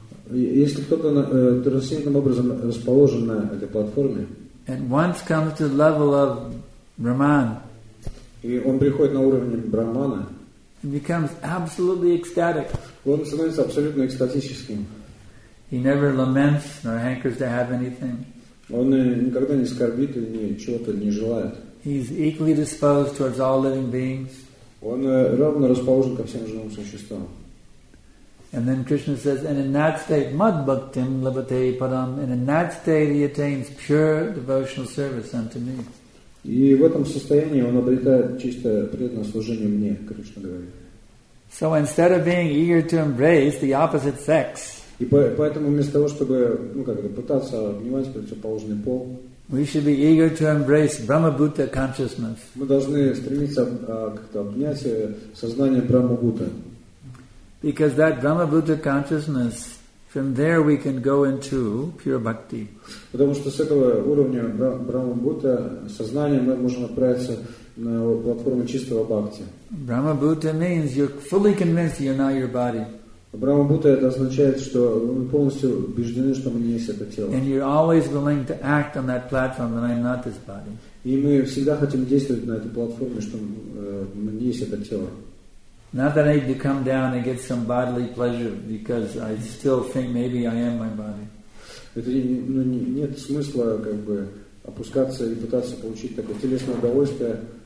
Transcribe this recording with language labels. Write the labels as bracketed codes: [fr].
[ru] Если кто-то трансцендентным образом расположен на этой платформе, [en] at once comes to the level of Brahman. [ru] И он приходит на уровень Брахмана. [en] And becomes absolutely ecstatic. [ru] Он становится абсолютно экстатическим. [en] He never laments nor hankers to have anything. [ru] Он никогда не скорбит и ничего-то не желает. [en] He's equally disposed towards all living beings. [ru] Он равно расположен ко всем живым существам. [en] And then Krishna says, and in that state, [sa] mad bhaktim labhate param. [en] And in that state, he attains pure devotional service unto me. [ru] И в этом состоянии он обретает чистое преданное служение мне, Кришна говорит. [en] So instead of being eager to embrace the opposite sex. [ru] И поэтому вместо того, чтобы, ну, как это, пытаться обнимать противоположный пол, [en] we should be eager to embrace Brahma-Bhuta consciousness. [ru] Мы должны стремиться как-то обнять сознание Брахма-Бхута. [en] Because that Brahma-Bhuta consciousness, from there we can go into pure bhakti. [ru] Потому что с этого уровня Брахма-Бхута сознание мы можем отправиться на платформу чистого бхакти. [en] Brahma-Bhuta means you're fully convinced you're not your body. [ru] Брахма-Бхута это означает, что мы полностью убеждены, что мы не есть это тело. [en] And you're always willing to act on that platform that I'm not this body. [ru] И мы всегда хотим действовать на этой платформе, что мы не есть это тело. [en] Not that I need to come down and get some bodily pleasure because I still think maybe I am my body. [ru] Это нет смысла как бы опускаться и пытаться получить такое телесное удовольствие.